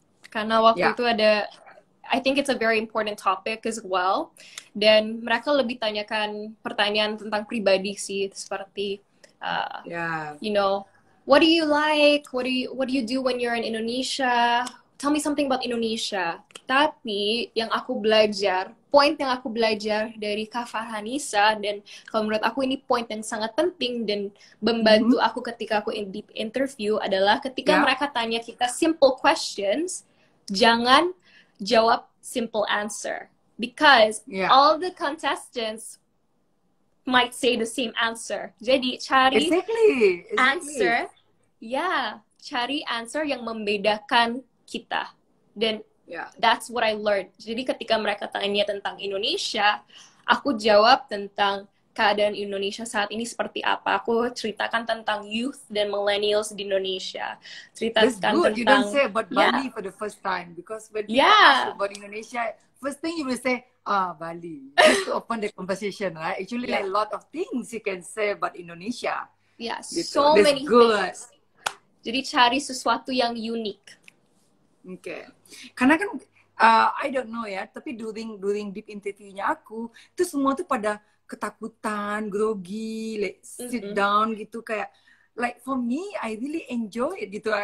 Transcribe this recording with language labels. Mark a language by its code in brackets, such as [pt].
[id] Karena waktu itu ada, [en] I think it's a very important topic as well. [id] Dan mereka lebih tanyakan pertanyaan tentang pribadi sih, seperti, [en] you know, what do you like? What do you do when you're in Indonesia? Tell me something about Indonesia. [id] Tapi yang aku belajar, point yang aku belajar dari Kak Farhanisa, dan kalau menurut aku ini point yang sangat penting dan membantu aku ketika aku in deep interview adalah ketika mereka tanya kita simple questions, jangan jawab simple answer. [en] Because all the contestants might say the same answer. [id] Jadi cari answer, cari answer yang membedakan kita. Dan [en] that's what I learned. [id] Jadi ketika mereka tanya tentang Indonesia, aku jawab tentang keadaan Indonesia saat ini seperti apa. Aku ceritakan tentang youth dan millennials di Indonesia. Ceritakan tentang, [en] you don't say about Bali for the first time, because when you ask about Indonesia, first thing you will say, Bali. Just to open the conversation, right? Actually, a lot of things you can say about Indonesia. So that's many good things. [id] Jadi cari sesuatu yang unik. Karena kan [en] I don't know [id] ya, tapi during deep interview-nya aku itu semua tuh pada ketakutan, grogi, [en] like sit down [id] gitu, kayak [en] like for me I really enjoy it [id] gitu.